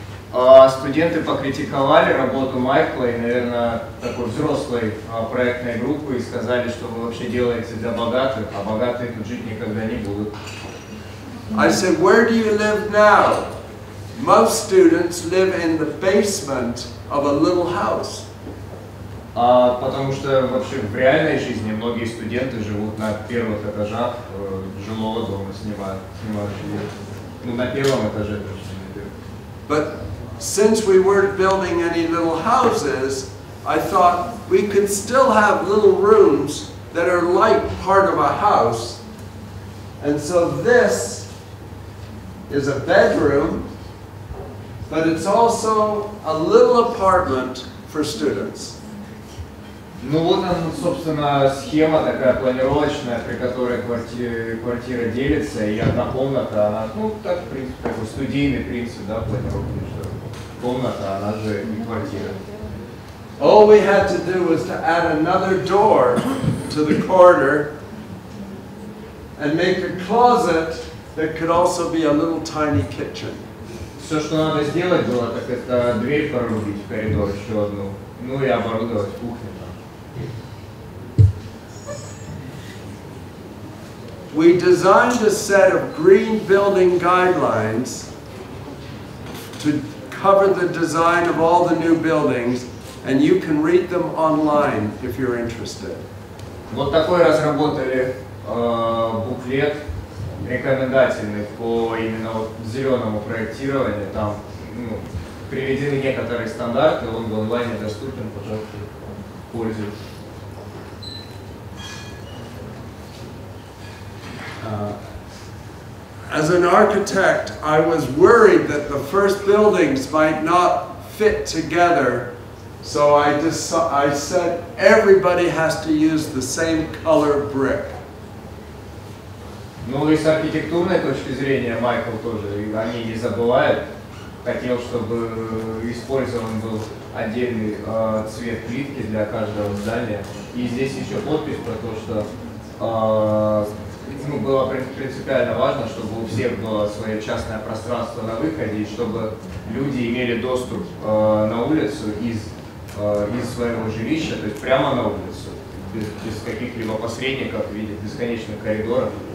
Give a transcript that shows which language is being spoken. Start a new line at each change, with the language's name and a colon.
Russian: Студенты покритиковали работу Майкла и, наверное, такой взрослой проектной группы и сказали, что вы вообще делаете для богатых, а богатые тут жить никогда не будут.
English: I said, where do you live now? Most students live in the basement of a little house.
Russian: Потому что вообще в реальной жизни многие студенты живут на первых этажах жилого дома, снимают. Ну, на первом этаже, точнее.
English: Since we weren't building any little houses, I thought we could still have little rooms that are like part of a house. And so this is a bedroom, but it's also a little apartment for students.
Russian: Ну вот он, собственно, схема такая планировочная, при которой квартира делится, и одна комната, она, ну, так, в принципе, как бы студийный принцип, да, планировки. Комната, она же не квартира.
English: All we had to do was to add another door to the corridor and make a closet that could also be a little tiny kitchen.
Russian: Все, что надо сделать было, так это дверь прорубить в коридор еще одну, ну и оборудовать кухню там.
English: We designed a set of green building guidelines to cover the design of all the new buildings, and you can read them online if you're interested.
Russian: Вот такой разработали буклет рекомендательный по именно вот зеленому проектированию. Там, ну, приведены некоторые стандарты, он в онлайне доступен, пожалуйста, пользуйтесь.
English: As an architect, I was worried that the first buildings might not fit together, so I said everybody has to use the same color brick.
Russian: Ну и с архитектурной точки зрения Майкл тоже, они не забывают, хотел, чтобы использован был отдельный цвет плитки для каждого здания. И здесь еще подпись про то, что ну, было принципиально важно, чтобы у всех было свое частное пространство на выходе, и чтобы люди имели доступ на улицу из своего жилища, то есть прямо на улицу, без каких-либо посредников в виде бесконечных коридоров.